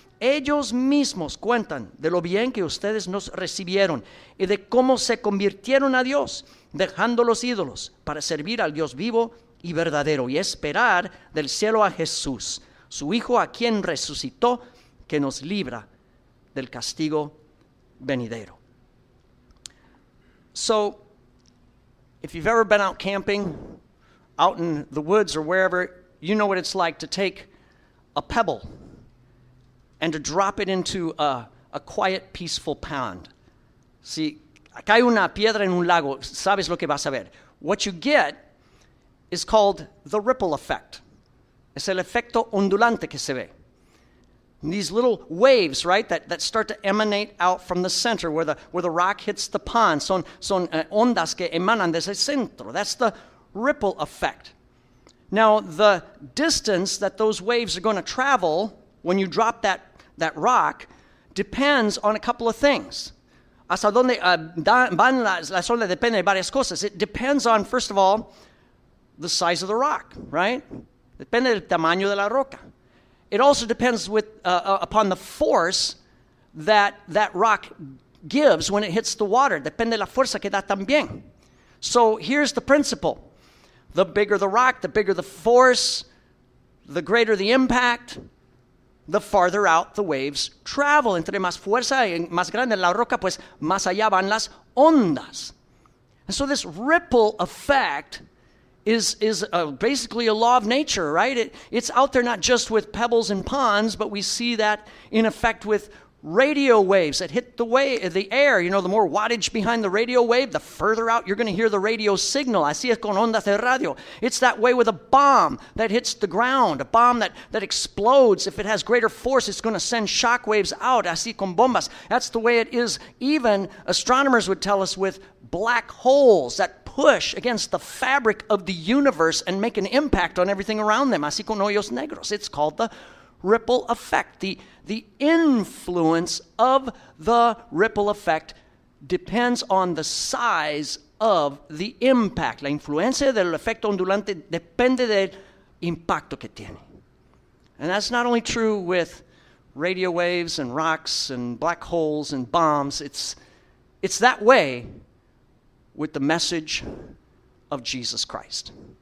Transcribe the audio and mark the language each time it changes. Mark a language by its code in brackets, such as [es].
[es] Ellos mismos cuentan de lo bien que ustedes nos recibieron y de cómo se convirtieron a Dios, dejando los ídolos para servir al Dios vivo y verdadero y esperar del cielo a Jesús, su Hijo a quien resucitó, que nos libra del castigo venidero." [en] So, if you've ever been out camping, out in the woods or wherever, you know what it's like to take a pebble and to drop it into a quiet, peaceful pond. [es] Si cae una piedra en un lago, sabes lo que vas a ver. [en] What you get is called the ripple effect. [es] Es el efecto ondulante que se ve. [en] These little waves, right, that start to emanate out from the center where the rock hits the pond. [es] Son ondas que emanan desde el centro. [en] That's the ripple effect. Now, the distance that those waves are going to travel when you drop that rock depends on a couple of things. [es] Hasta donde van las ondas depende de varias cosas. [en] It depends on, first of all, the size of the rock, right? [es] Depende del tamaño de la roca. [en] It also depends upon the force that rock gives when it hits the water. [es] Depende de la fuerza que da también. [en] So here's the principle. The bigger the rock, the bigger the force, the greater the impact, the farther out the waves travel. [es] Entre más fuerza y más grande la roca, pues más allá van las ondas. [en] And so this ripple effect is basically a law of nature, right? It's out there not just with pebbles and ponds, but we see that in effect with radio waves that hit the air. You know, the more wattage behind the radio wave, the further out you're going to hear the radio signal. [es] Así es con ondas de radio. [en] It's that way with a bomb that hits the ground, a bomb that explodes. If it has greater force, it's going to send shock waves out. [es] Así con bombas. [en] That's the way it is. Even astronomers would tell us with black holes that push against the fabric of the universe and make an impact on everything around them. [es] Así con hoyos negros. [en] It's called the ripple effect. The influence of the ripple effect depends on the size of the impact. [es] La influencia del efecto ondulante depende del impacto que tiene. [en] And that's not only true with radio waves and rocks and black holes and bombs. It's that way with the message of Jesus Christ.